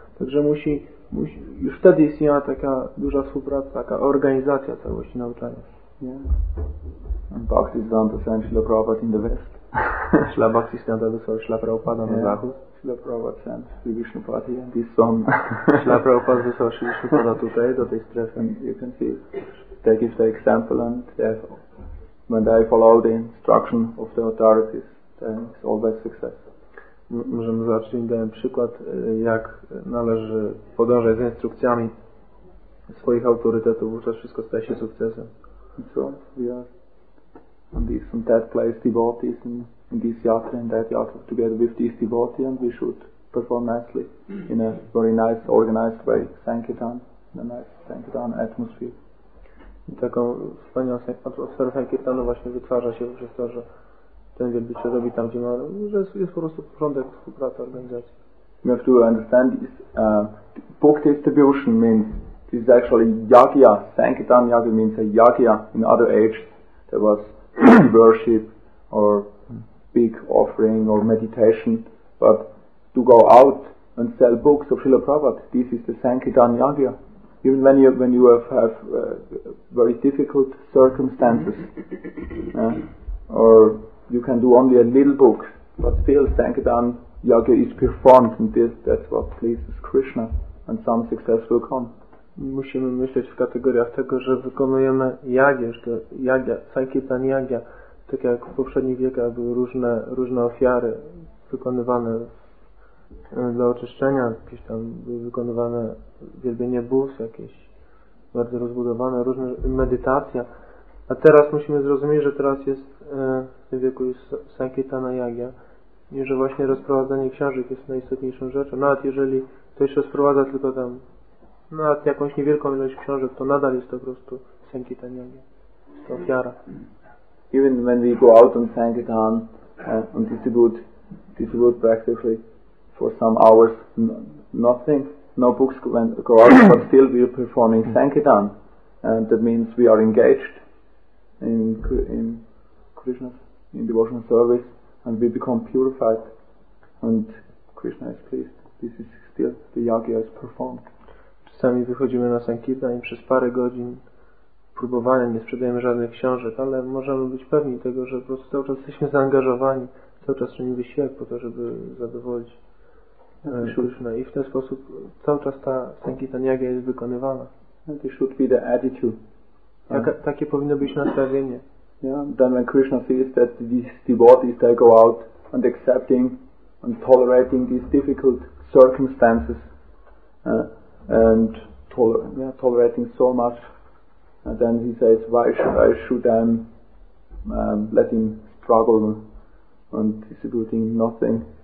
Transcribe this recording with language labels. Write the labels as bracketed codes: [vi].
[pl] Także musi już wtedy istniała taka duża współpraca, taka organizacja całości nauczania. [en] Bhakti Siddhanta sent Śrīla Prabhupāda in the West. [pl] Śrīla Bhakti Siddhanta wysłał Śrīla Prabhupāda na zachód. [en] Śrīla Prabhupāda sent Śrī Viṣṇupāda in this zone. [pl] Śrīla Prabhupāda wysłał Śrī Viṣṇupāda tutaj, do tej strefy. [en] You can see, they give the example and when they follow the instruction of the authorities, then it's always success. [pl] Możemy zobaczyć, im dałem przykład, jak należy podążać z instrukcjami swoich autorytetów, wówczas wszystko staje się sukcesem. [en] So, we are on this and that place devotees in this yatra and that yatra together with this devotee and we should perform nicely in a very nice organized way, Sankirtan, in a nice Sankirtan atmosphere. [pl] I taką wspaniałą atmosferę Sankirtanu właśnie wytwarza się przez to, że ten wielbiciel robi tam, gdzie ma, że jest po prostu porządek współpracy organizacji. [en] We have to understand this, book distribution means this is actually yagya, Sankirtan yagya means a yagya. In other ages there was worship or big offering or meditation, but to go out and sell books of Śrīla Prabhupāda, this is the Sankirtan yagya. Even when you have very difficult circumstances, or you can do only a little book, but still Sankirtan yagya is performed, and that's what pleases Krishna, and some success will come. [pl] Musimy myśleć w kategoriach tego, że wykonujemy jagię, że jagia, Sankirtan jagia, tak jak w poprzednich wiekach były różne ofiary wykonywane dla oczyszczenia, jakieś tam były wykonywane wielbienie bóstw, jakieś bardzo rozbudowane, różne medytacja. A teraz musimy zrozumieć, że teraz jest w tym wieku jest Sankirtana jagia i że właśnie rozprowadzanie książek jest najistotniejszą rzeczą. Nawet jeżeli ktoś rozprowadza tylko tam nawet jakąś niewielką ilość książek, to nadal jest to po prostu Sankirtan yagya, to ofiara. [en] Even when we go out on Sankirtan and distribute practically for some hours nothing, no books go out, but still we are performing Sankirtan, and that means we are engaged in Krishna's, in devotional service, and we become purified and Krishna is pleased. This is still the yagya is performed. [pl] Czasami wychodzimy na Sankirtan i przez parę godzin próbowania nie sprzedajemy żadnych książek, ale możemy być pewni tego, że po prostu cały czas jesteśmy zaangażowani, cały czas czynimy wysiłek po to, żeby zadowolić Krishna. I w ten sposób cały czas ta Sankirtan yagya jest wykonywana. [en] This should be the attitude. [pl] Takie powinno być nastawienie. Yeah. [en] Then when Krishna sees that these devotees, they go out and accepting and tolerating these difficult circumstances, and tolerating so much, and then he says, why should I should then let him struggle and distributing nothing?